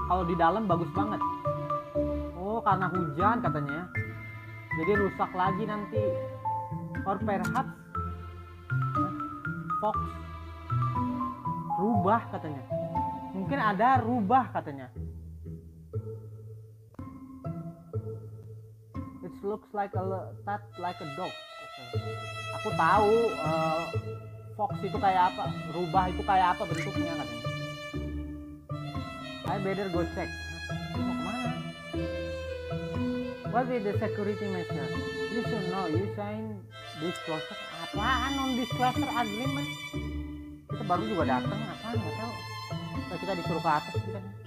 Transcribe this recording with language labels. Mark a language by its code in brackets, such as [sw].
[id] Kalau di dalam bagus banget. Oh, karena hujan katanya. Jadi rusak lagi nanti. [en] Or perhaps fox [id] rubah katanya. Mungkin ada rubah katanya. [en] It looks like a that like a dog. Okay. [id] Aku tahu fox itu kayak apa, rubah itu kayak apa bentuknya katanya. [en] I better go check. [id] Mau kemana? [en] What is the security measure? You should know. You sign disclosure. [id] Apaan non-disclosure agreement? Kita baru juga datang. Apaan? Gak tau. So, kita disuruh ke atas. Kita.